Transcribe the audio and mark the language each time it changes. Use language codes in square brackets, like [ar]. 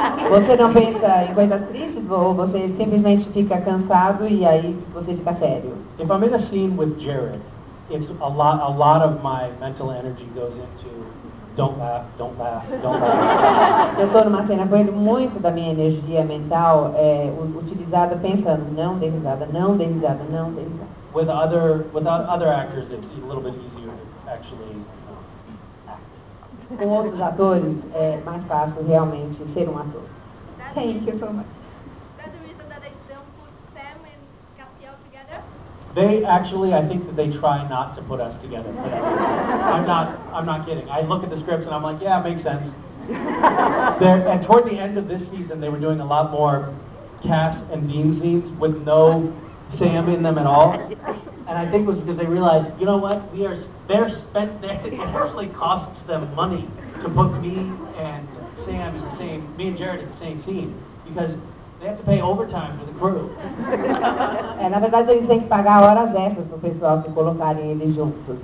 [pt] Você não pensa em coisas tristes, ou você simplesmente fica cansado e aí você fica sério. [en] If I'm in a scene with Jared, it's a lot of my mental energy goes into don't laugh, don't laugh, don't laugh. [pt] Eu tô numa cena com ele, muito da minha energia mental é utilizada pensando não dê risada, não dê risada, não dê risada. [en] With other actors, it's a little bit easier to actually act. [pt] Com outros atores, é mais fácil realmente ser ator. [en] Thank you so much. They actually, I think that they try not to put us together. I'm not kidding. I look at the scripts and I'm like, yeah, it makes sense. And toward the end of this season, they were doing a lot more Cass and Dean scenes with no Sam in them at all. And I think it was because they realized, you know what, it actually costs them money to put me and Sam in the same, me and Jared in the same scene. Because they have to pay overtime for the crew. [pt] É, na verdade, eles têm que pagar horas extras pro pessoal se colocarem eles juntos.